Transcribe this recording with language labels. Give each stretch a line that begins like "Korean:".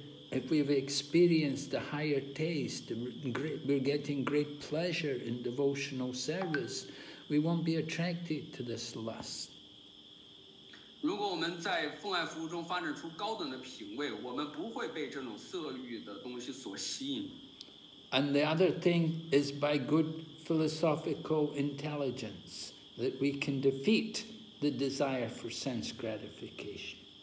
English: If we've experienced a higher taste, we're getting great pleasure in devotional service, we won't be attracted to this lust.
Chinese: 如果我们在奉爱服务中发展出高等的品位, 我们不会被这种色欲的东西所吸引。
English: And the other thing is by good philosophical intelligence, that we can defeat the desire for sense gratification.